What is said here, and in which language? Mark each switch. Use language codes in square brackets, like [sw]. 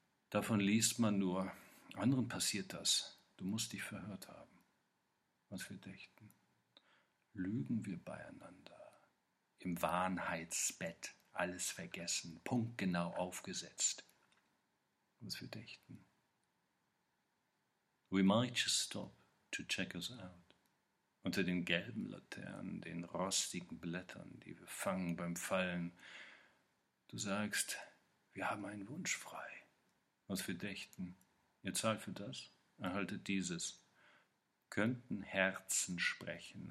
[de] Davon liest man nur, anderen passiert das, du musst dich verhört haben. Was wir dächten, lügen wir beieinander, im Wahrheitsbett. Alles vergessen, punktgenau aufgesetzt. Was wir dächten. [en] We might just stop to check us out. [de] Unter den gelben Laternen, den rostigen Blättern, die wir fangen beim Fallen. Du sagst, wir haben einen Wunsch frei. Was wir dächten. Ihr zahlt für das, erhaltet dieses. Könnten Herzen sprechen.